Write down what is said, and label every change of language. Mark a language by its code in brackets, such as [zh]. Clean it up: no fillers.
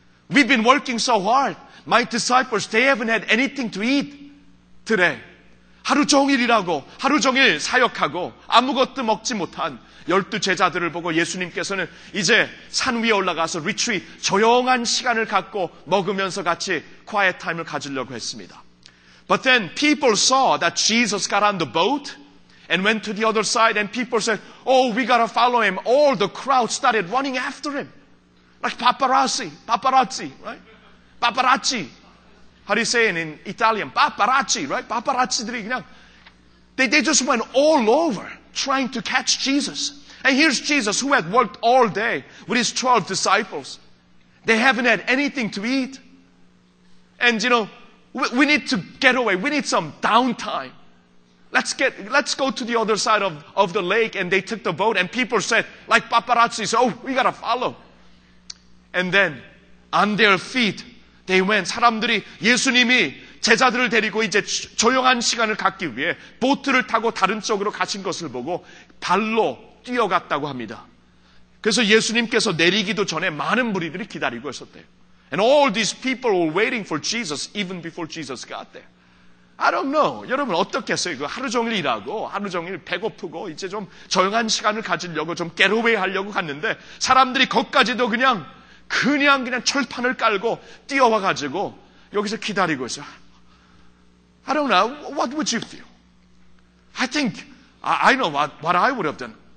[en] We've been working so hard. My disciples, they haven't had anything to eat today. [ko] 하루 종일이라고, 하루 종일 사역하고 아무것도 먹지 못한 열두 제자들을 보고 예수님께서는 이제 산 위에 올라가서 retreat, 조용한 시간을 갖고 먹으면서 같이 [en] quiet time [ko] 을 가지려고 했습니다. [en] But then people saw that Jesus got on the boat and went to the other side and people said, oh, we gotta follow him. All the crowd started running after him. Like paparazzi, right? Paparazzi. How do you say it in Italian? Paparazzi, right? Paparazzi들이 [ko] 그냥 [en] they just went all over trying to catch Jesus. And here's Jesus who had worked all day with his 12 disciples. They haven't had anything to eat. And you know, we need to get away. We need some downtime. Let's go to the other side of the lake. And they took the boat and people said, like paparazzi, oh, we gotta follow. And then on their feet, they went. [ko] 사람들이 예수님이 제자들을 데리고 이제 조용한 시간을 갖기 위해 보트를 타고 다른 쪽으로 가신 것을 보고 발로 뛰어갔다고 합니다. 그래서 예수님께서 내리기도 전에 많은 무리들이 기다리고 있었대요. [en] And all these people were waiting for Jesus even before Jesus got there. I don't know. [ko] 여러분 어떻겠어요? 이거 하루 종일 일하고 하루 종일 배고프고 이제 좀 조용한 시간을 가지려고 좀 [en] get away [ko] 하려고 갔는데 사람들이 거기까지도 그냥 철판을 깔고 뛰어와가지고 여기서 기다리고 있어. [en] I don't know. What would you feel? I think I know what I would have done.